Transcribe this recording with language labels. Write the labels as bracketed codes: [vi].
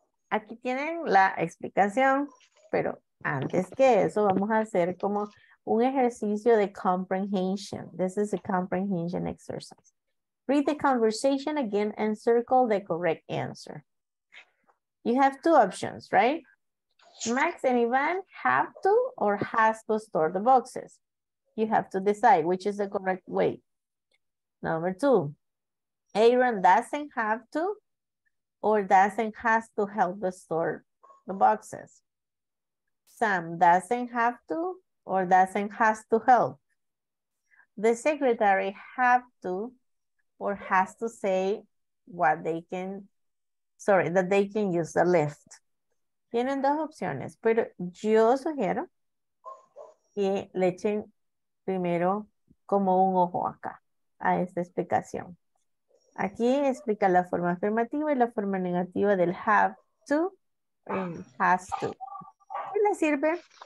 [es] Aquí tienen la explicación, pero antes que eso vamos a hacer como un ejercicio de comprehension. [en] This is a comprehension exercise. Read the conversation again and circle the correct answer. You have two options, right? Max and Ivan have to or has to store the boxes. You have to decide which is the correct way. Number two, Aaron doesn't have to or doesn't has to help the store the boxes. Sam doesn't have to or doesn't has to help. The secretary have to or has to say what they can, sorry, that they can use the lift. [es] Tienen dos opciones, pero yo sugiero que le echen primero como un ojo acá a esta explicación. Aquí explica la forma afirmativa y la forma negativa del have to y has to. ¿Qué le sirve?